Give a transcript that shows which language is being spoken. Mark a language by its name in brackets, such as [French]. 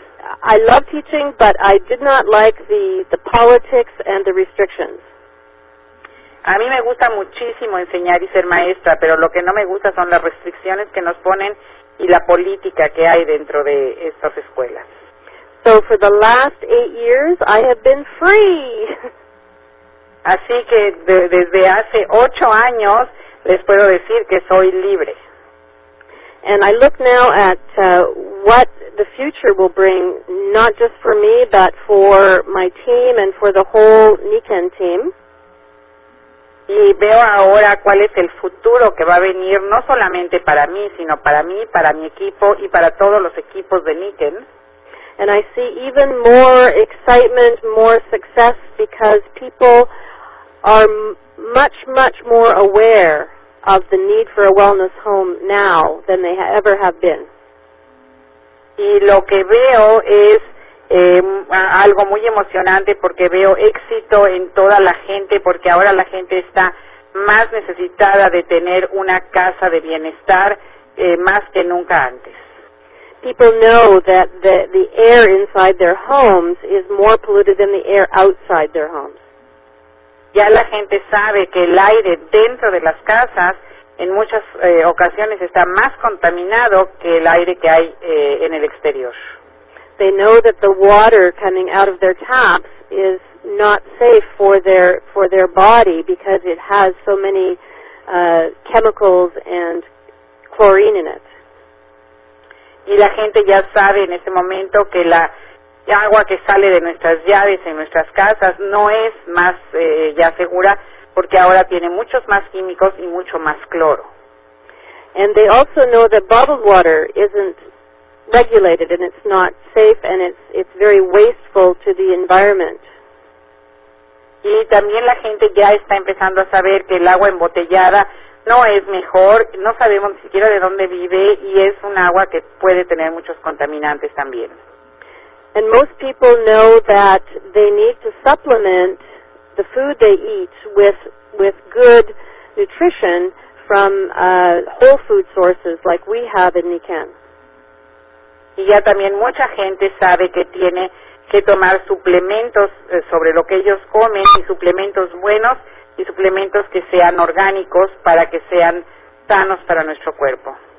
[English] I love teaching, but I did not like the politics and the restrictions. [Spanish] A mí me gusta muchísimo enseñar y ser maestra, pero lo que no me gusta son las restricciones que nos ponen y la política que hay dentro de estas escuelas. [English] So for the last 8 years, I have been free. [Spanish] Así que desde hace 8 años les puedo decir que soy libre. [English] And I look now at what the future will bring, not just for me, but for my team and for the whole NECAN team. [Spanish] Y veo ahora cuál es el futuro que va a venir, no solamente para mí, sino para mí, para mi equipo y para todos los equipos de NECAN. [English] And I see even more excitement, more success, because people are much, much more aware of the need for a wellness home now than they ever have been. [Spanish] Y lo que veo es algo muy emocionante, porque veo éxito en toda la gente, porque ahora la gente está más necesitada de tener una casa de bienestar más que nunca antes. [English] People know that the air inside their homes is more polluted than the air outside their homes. [Spanish] Ya la gente sabe que el aire dentro de las casas en muchas ocasiones está más contaminado que el aire que hay en el exterior. [English] They know that the water coming out of their taps is not safe for their body because it has so many chemicals and chlorine in it. [Spanish] Y la gente ya sabe en este momento que la agua que sale de nuestras llaves en nuestras casas no es más ya segura, porque ahora tiene muchos más químicos y mucho más cloro. [English] And they also know that bottled water isn't regulated and it's not safe and it's very wasteful to the environment. [Spanish] Y también la gente ya está empezando a saber que el agua embotellada no es mejor, no sabemos ni siquiera de dónde vive y es un agua que puede tener muchos contaminantes también. [English] And most people know that they need to supplement the food they eat with good nutrition from whole food sources like we have in NECAN. [Spanish] Y ya también mucha gente sabe que tiene que tomar suplementos sobre lo que ellos comen, y suplementos buenos y suplementos que sean orgánicos para que sean sanos para nuestro cuerpo.